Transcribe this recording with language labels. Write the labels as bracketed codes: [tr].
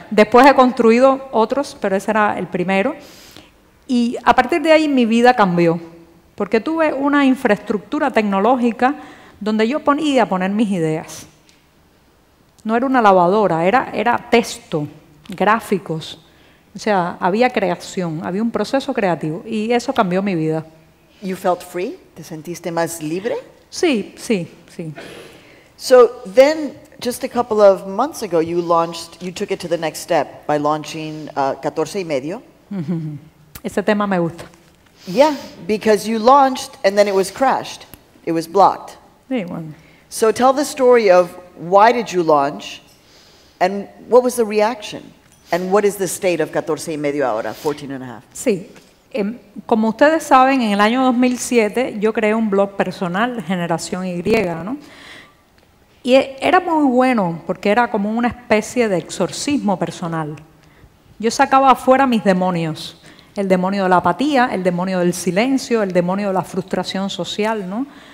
[es] Después he construido otros, pero ese era el primero. Y a partir de ahí mi vida cambió, porque tuve una infraestructura tecnológica donde yo ponía a poner mis ideas. No era una lavadora, era texto, gráficos. O sea, había creación, había un proceso creativo y eso cambió mi vida. [en] You felt free? [es] ¿Te sentiste más libre? Sí, sí, sí. [en] So then, just a couple of months ago, you took it to the next step by launching 14 y medio. [es] Ese tema me gusta. [en] Yeah, because you launched and then it was crashed. It was blocked. [es] Sí, bueno. [en] So tell the story of why did you launch and what was the reaction? And what is the state of 14 y medio ahora, 14 and a half? [es] Sí. Como ustedes saben, en el año 2007 yo creé un blog personal, Generación Y, ¿no? Y era muy bueno porque era como una especie de exorcismo personal. Yo sacaba afuera mis demonios. El demonio de la apatía, el demonio del silencio, el demonio de la frustración social, ¿no?